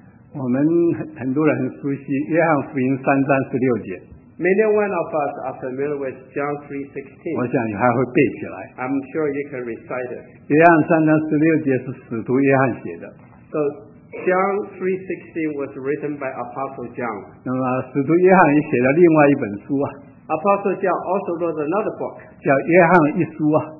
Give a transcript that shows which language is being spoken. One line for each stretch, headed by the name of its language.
Chinese: 我们很多人很熟悉约翰福音三章十六节。
English: Many one of us are familiar with John 3:16.
Chinese: 我想你还会背起来。
English: I'm sure you can recite it.
Chinese: 约翰三章十六节是使徒约翰写的。
English: So John 3:16 was written by Apostle John.
Chinese: 那么使徒约翰也写了另外一本书啊。
English: Apostle John also wrote another book.
Chinese: 叫约翰一书啊。